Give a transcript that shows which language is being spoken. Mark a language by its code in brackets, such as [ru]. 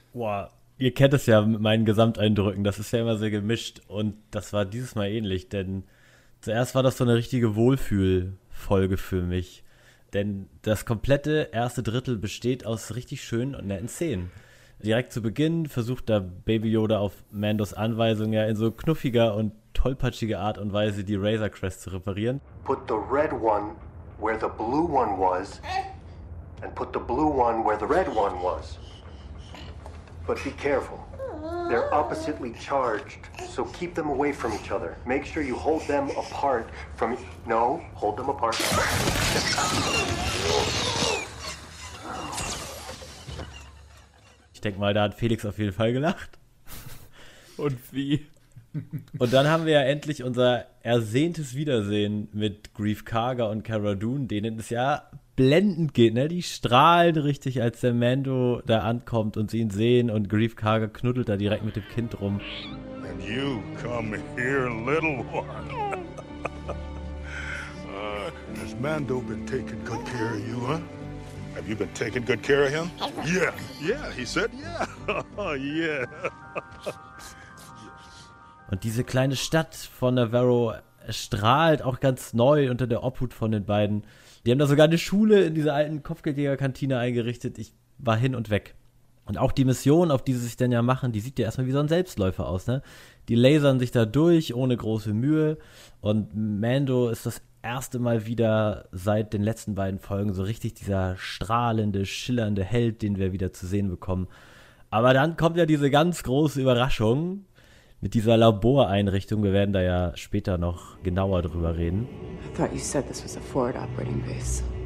[de] Boah, ihr kennt es ja mit meinen Gesamteindrücken. Das ist ja immer sehr gemischt und das war dieses Mal ähnlich, denn zuerst war das so eine richtige Wohlfühlfolge für mich, denn das komplette erste Drittel besteht aus richtig schönen und netten Szenen. Direkt zu Beginn versucht da Baby Yoda auf Mandos Anweisung ja in so knuffiger und tollpatschiger Art und Weise die Razor Crest zu reparieren. [en] Put the red one where the blue one was and put the blue one where the red one was. But be careful. They're oppositely charged, so keep them away from each other. Make sure you hold them apart from... No, hold them apart. [de] Ich denke mal, da hat Felix auf jeden Fall gelacht. Und wie? Und dann haben wir ja endlich unser ersehntes Wiedersehen mit Greef Karga und Cara Dune, denen es ja blendend geht, ne? Die strahlen richtig, als der Mando da ankommt und sie ihn sehen und Greef Karga knuddelt da direkt mit dem Kind rum. [en] And you come here, little one. And has Mando been taking good care of you, huh? Have you been taking good care of him? Yeah. Yeah, he said yeah. Oh, yeah. [de] Und diese kleine Stadt von Navarro strahlt auch ganz neu unter der Obhut von den beiden. Die haben da sogar eine Schule in dieser alten Kopfgeldjägerkantine eingerichtet. Ich war hin und weg. Und auch die Mission, auf die sie sich denn ja machen, die sieht ja erstmal wie so ein Selbstläufer aus, ne? Die lasern sich da durch, ohne große Mühe. Und Mando ist das erste Mal wieder seit den letzten beiden Folgen so richtig dieser strahlende, schillernde Held, den wir wieder zu sehen bekommen. Aber dann kommt ja diese ganz große Überraschung mit dieser Laboreinrichtung. Wir werden da ja später noch genauer drüber reden. [en] I thought you said this was a forward operating base.